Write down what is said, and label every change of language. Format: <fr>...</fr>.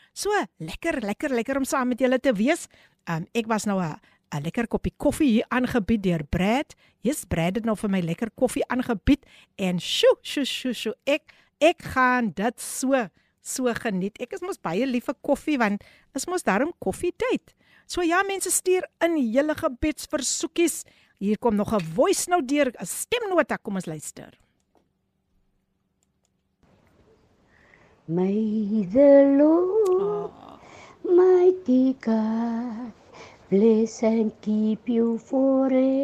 <af>So lekker om saam met julle te wees. Ek was nou 'n lekker koppie koffie hier aangebied deur Brad. Yes, Brad het nou vir my lekker koffie aangebied en sjoe, ek gaan dit so geniet. Ek is mos baie lief vir koffie want is mos daarom koffietyd. So ja, mense, stuur in julle gebedsversoekies. Hier kom nog 'n voice note deur, 'n stemnota. Kom ons luister.</af> <en>May the Lord, mighty God, bless and keep you forever.</en>